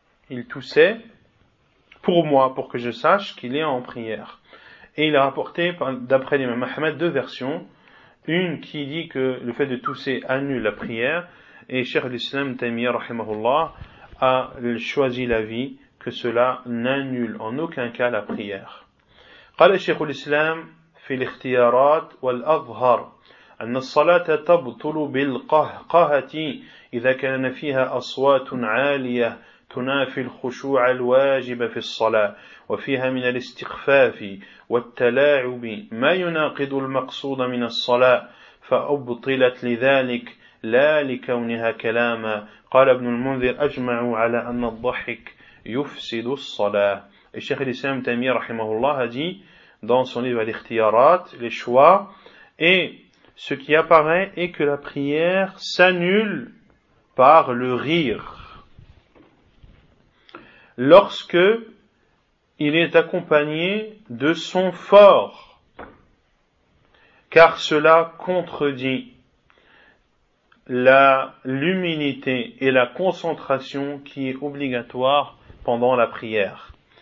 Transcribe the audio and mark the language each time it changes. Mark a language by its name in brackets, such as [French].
[French] Il toussait pour moi, pour que je sache qu'il est en prière. Et il a rapporté, d'après l'imam Ahmed, deux versions. Une qui dit que le fait de tousser annule la prière, et Cheikh l'Islam Taymiyyah rahimahullah a choisi la vie que cela n'annule en aucun cas la prière. [Arabic] قال الشيخ الإسلام في الاختيارات والأظهر أن الصلاة تبطل بالقهقهة إذا كان فيها أصوات عالية تنافي الخشوع الواجب في الصلاة وفيها من الاستخفاف والتلاعب ما يناقض المقصود من الصلاة فأبطلت لذلك لا لكونها كلاما. قال ابن المنذر أجمعوا على أن الضحك يفسد الصلاة. الشيخ الإسلام تيمية رحمه الله [French] a dit dans son livre l'Ikhtiyarat, les choix, et ce qui apparaît est que la prière s'annule par le rire lorsque il est accompagné de sons forts, car cela contredit l'humilité et la concentration qui est obligatoire pendant la prière.